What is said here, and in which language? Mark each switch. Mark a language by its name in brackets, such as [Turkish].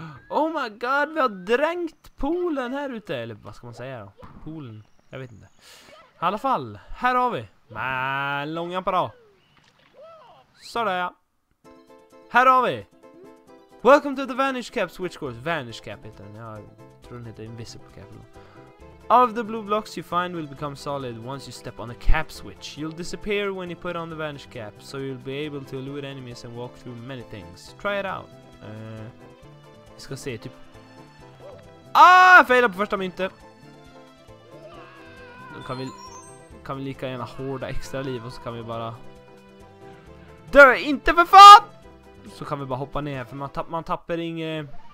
[English] Oh my god, [Swedish] vi har dränkt poolen här ute! Eller vad ska man säga då? Poolen? Jag vet inte. I alla fall, här har vi! Men långa på då! Sådär ja! Här har vi! [English] Welcome to the Vanish Cap Switch Course. Vanish Cap [Swedish] heter den. Jag tror den heter Invisible Cap. [English] All of the blue blocks you find will become solid once you step on a cap switch. You'll disappear when you put on the vanish cap, so you'll be able to elude enemies and walk through many things. Try it out. [Swedish] Vi ska se, typ... Ah, jag failade på första myntet! Då kan vi lika gärna hårda extra liv och så kan vi bara... Dö inte för fan! Så kan vi bara hoppa ner, för man tappar inget...